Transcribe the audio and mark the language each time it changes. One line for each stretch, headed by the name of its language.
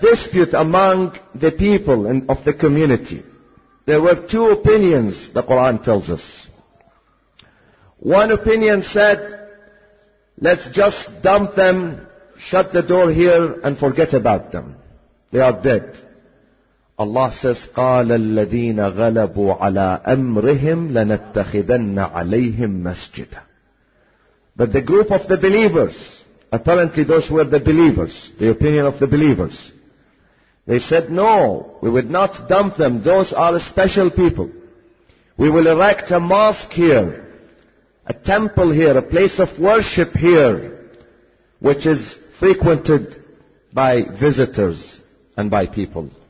English: dispute among the people and of the community. There were two opinions, the Quran tells us. One opinion said, let's just dump them, shut the door here and forget about them. They are dead. Allah says,
Arabic: قَالَ الَّذِينَ غَلَبُوا عَلَىٰ أَمْرِهِمْ لَنَتَّخِذَنَّ عَلَيْهِمْ مَسْجِدًا.
English: But the group of the believers, apparently those who were the believers, the opinion of the believers, they said, no, we would not dump them. Those are special people. We will erect a mosque here, a temple here, a place of worship here, which is frequented by visitors and by people.